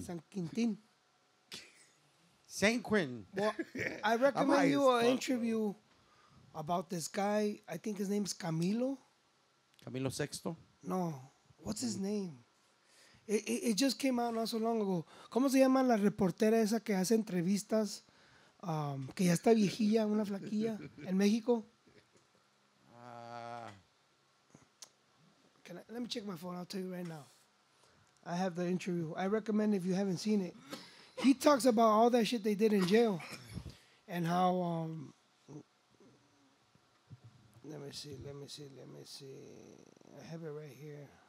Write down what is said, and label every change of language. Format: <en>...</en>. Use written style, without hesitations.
<en>San Quintin. San Quentin. Well, I recommend you an interview about this guy. I think his name's Camilo. Camilo Sexto? No. What's his name? It just came out not so long ago.</en> <es>¿Cómo se llama la reportera esa que hace entrevistas? Que ya está viejilla, una flaquilla, en México.</es> <en>Let me check my phone. I'll tell you right now. I have the interview. I recommend if you haven't seen it. He talks about all that shit they did in jail. And how... Let me see. I have it right here.</en>